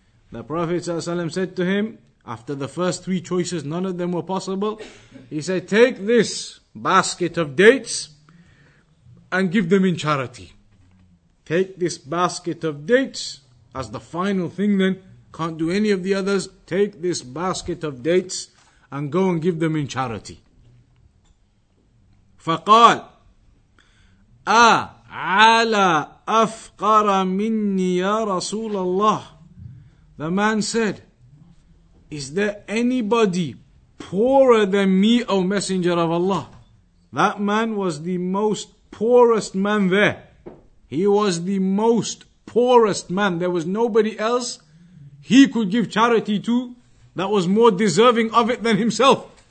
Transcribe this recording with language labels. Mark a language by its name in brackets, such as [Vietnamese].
[English] The Prophet ﷺ said to him, after the first three choices, none of them were possible, he said, take this basket of dates and give them in charity. Take this basket of dates as the final thing then, can't do any of the others, take this basket of dates and go and give them in charity. [Arabic] فقال أعلى أفقر مني يا رسول الله. [English] The man said, is there anybody poorer than me, O Messenger of Allah? That man was the most poorest man there. He was the most poorest man. There was nobody else he could give charity to that was more deserving of it than himself.